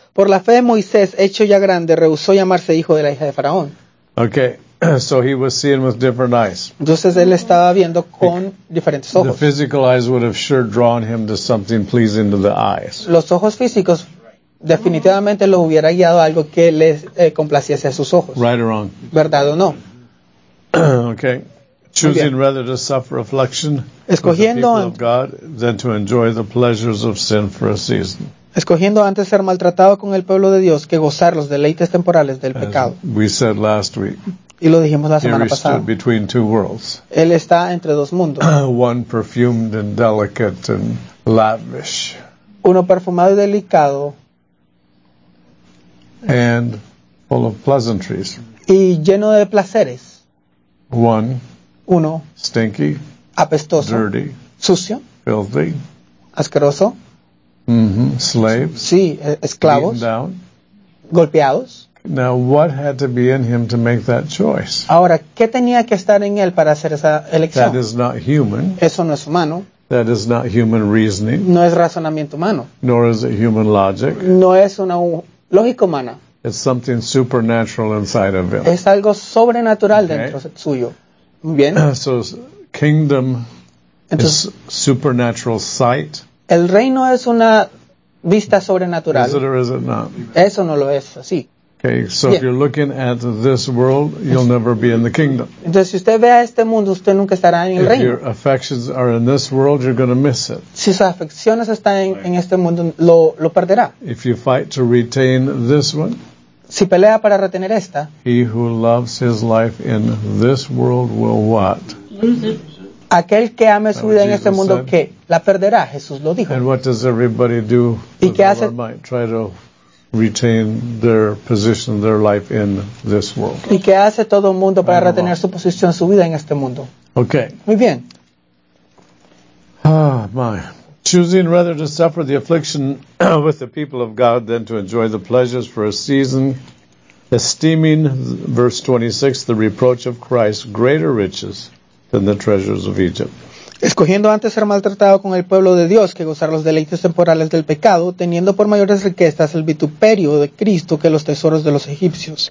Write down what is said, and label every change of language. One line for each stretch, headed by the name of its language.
Spanish: Por la fe de Moisés, hecho ya grande, rehusó llamarse hijo de la hija de Faraón.
English: Okay, so he was seeing with different eyes.
Spanish: Entonces él estaba viendo con diferentes ojos.
English: The physical eyes would have sure drawn him to something pleasing to the eyes.
Spanish: Los ojos físicos definitivamente lo hubiera guiado a algo que les complaciese a sus ojos.
English: Right or wrong.
Spanish: ¿Verdad o no?
English: Okay. Choosing rather to suffer affliction
Spanish: escogiendo
English: with the people of God than to enjoy the pleasures of sin for a season.
Spanish: Escogiendo antes ser maltratado con el pueblo de Dios que gozar los deleites temporales del pecado.
English: As we said last week.
Spanish: Y lo dijimos la semana pasada.
English: He stood between two worlds.
Spanish: Él está entre dos mundos.
English: One perfumed and delicate and lavish.
Spanish: Uno perfumado y delicado.
English: And full of pleasantries.
Spanish: Y lleno de placeres.
English: One.
Spanish: Uno,
English: stinky,
Spanish: apestoso,
English: dirty,
Spanish: sucio,
English: filthy,
Spanish: asqueroso,
English: mm-hmm, slaves,
Spanish: sí, esclavos,
English: beaten down,
Spanish: golpeados.
English: Now, what had to be in him to make that choice?
Spanish: Ahora, ¿qué tenía que estar en él para hacer esa elección?
English: That is not human.
Spanish: Eso no es humano.
English: That is not human reasoning.
Spanish: No es razonamiento humano.
English: Nor is it human logic.
Spanish: No es una lógica humana.
English: It's something supernatural inside of him.
Spanish: Es algo sobrenatural, okay, dentro suyo. Bien.
English: So kingdom entonces, is supernatural sight.
Spanish: El reino es una vista sobrenatural.
English: Is it or is it not?
Spanish: Eso no lo es, así.
English: Okay, so bien. If you're looking at this world, you'll never be in the kingdom.
Spanish: Entonces, si usted ve a este mundo, usted nunca estará en el
English: if
Spanish: reino.
English: If your affections are in this world, you're going to miss it.
Spanish: Si sus afecciones están en este mundo, lo perderá.
English: If you fight to retain this one.
Spanish: Si pelea para retener esta.
English: He who loves his life in this world will what?
Spanish: Aquel que ame su vida en este mundo, ¿qué? La perderá, Jesús lo dijo.
English: And what does everybody do?
Spanish: ¿Y qué hace?
English: Might try to retain their position, their life in this world.
Spanish: ¿Y qué hace todo el mundo para retener su posición, su vida en este mundo?
English: Okay.
Spanish: Muy bien.
English: Ah, my. Choosing rather to suffer the affliction with the people of God than to enjoy the pleasures for a season, esteeming, verse 26, the reproach of Christ greater riches than the treasures of Egypt.
Spanish: Escogiendo antes ser maltratado con el pueblo de Dios que gozar los deleites temporales del pecado, teniendo por mayores riquezas el vituperio de Cristo que los tesoros de los egipcios.